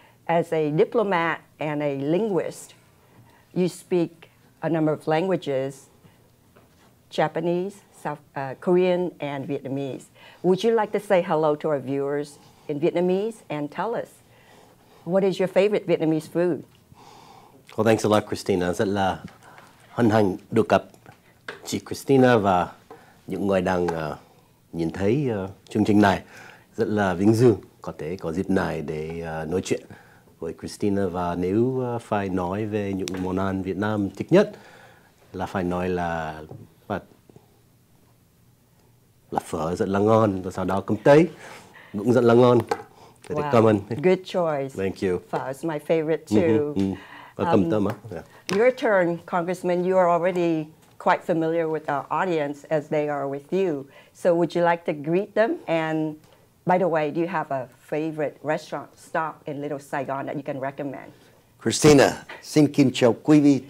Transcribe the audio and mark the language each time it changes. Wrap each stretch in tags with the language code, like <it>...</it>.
<en>As a diplomat and a linguist, you speak a number of languages, Japanese, Korean, and Vietnamese. Would you like to say hello to our viewers in Vietnamese and tell us, what is your favorite Vietnamese food? Well, thanks a lot, Christina.</en> <vi>Rất là hân hạnh được gặp chị Christina và những người đang nhìn thấy chương trình này. Rất là vinh dự có thể có dịp này để nói chuyện với Christina. Và nếu phải nói về những món ăn Việt Nam thích nhất là phải nói là phở rất là ngon, và sau đó cơm tây cũng rất là ngon.</vi> <en>Wow. Good choice. Thank you. Pho is my favorite too. Welcome, Tom. Yeah. Your turn, Congressman. You are already quite familiar with our audience as they are with you. So would you like to greet them? And by the way, do you have a favorite restaurant stop in Little Saigon that you can recommend?</en> <vi>Christina, xin kính chào quý vị.</vi>